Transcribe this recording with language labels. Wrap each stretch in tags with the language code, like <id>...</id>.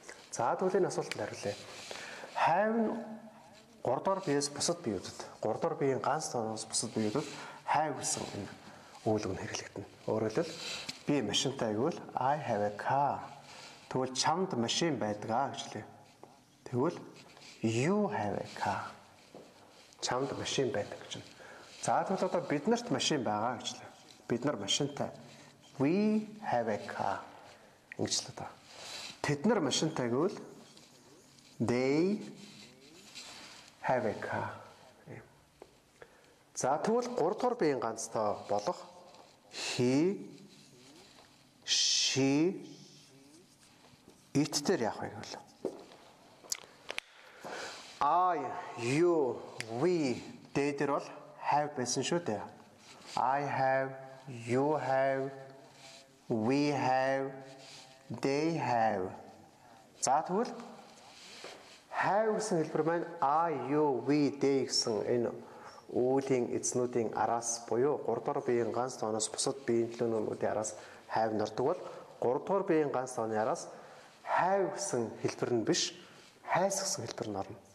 <mn>За тэгвэл энэ асуултанд хариулъя. Have нь 3 дугаар биеэс бусад биеүүдэд, 3 дугаар биеийн ганц тооноос бусад биеүүдэд have гэсэн үг нь хэрэглэгдэнэ. Өөрөлдөл би машинтай гэвэл</mn> <en>I have a car.</en> <mn>Тэгвэл чамд машин байдгаа гэж хэлээ. Тэгвэл</mn> <en>you have a car.</en> <mn>Чамд машин байдаг гэж байна. За тэгвэл одоо бид нарт машин байгаа гэж хэлээ. Бид нар машинтай.</mn> <en>We have a car.</en> <mn>Ингэж л одоо. Тэд нар машинтай гэвэл</mn> <en>they have a car.</en> <mn>За тэгвэл 3 дугаар биеийн ганц тоо болох he she it дээр яах вэ гэвэл I you we дээр бол have байсан шүү дээ.</mn> <en>I have you have we have they have.</en> <mn>За тэгвэл have гэсэн хэлбэр маань I you we they гэсэн энэ үеийн эзнүүдийн араас буюу 3 дугаар биеийн ганц тооноос бусад биеийн төлөвнүүдийн араас have нэрдэг бол 3 дугаар биеийн ганц тооны араас have гэсэн хэлбэр нь биш has гэсэн хэлбэр нь орно.</mn>